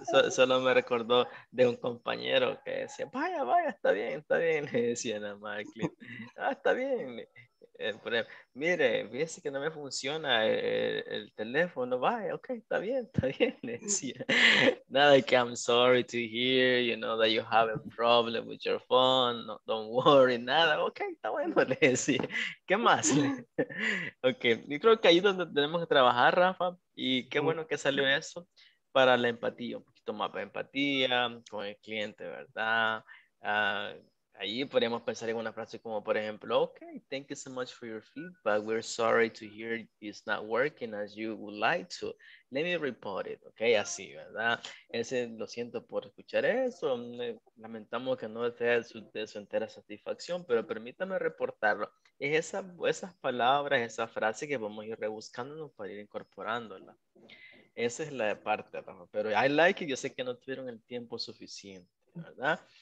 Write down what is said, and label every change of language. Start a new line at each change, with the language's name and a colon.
Spanish: Solo me recordó de un compañero que decía, vaya, vaya, está bien, le decía a Marklin. Ah, está bien. Mire, fíjese que no me funciona el teléfono, vaya, ok, está bien, le decía. Nada, que
English: I'm sorry to hear, you know, that you have a problem with your phone, no, don't worry,
Spanish: nada, ok, está bueno, le decía. ¿Qué más? Ok, yo creo que ahí es donde tenemos que trabajar, Rafa, y qué bueno que salió eso para la empatía, un poquito más de empatía con el cliente, ¿verdad? Ahí podríamos pensar en una frase como, por ejemplo,
English: okay, thank you so much for your feedback. We're sorry to hear it's not working as you would like to. Let me report it, okay?
Spanish: Así, ¿verdad? Ese, lo siento por escuchar eso. Lamentamos que no esté de su entera satisfacción, pero permítame reportarlo. Es esas palabras, esa frase que vamos a ir rebuscándonos para ir incorporándola. Esa es la parte, ¿no? Pero
English: I like it.
Spanish: Yo sé que no tuvieron el tiempo suficiente, ¿verdad?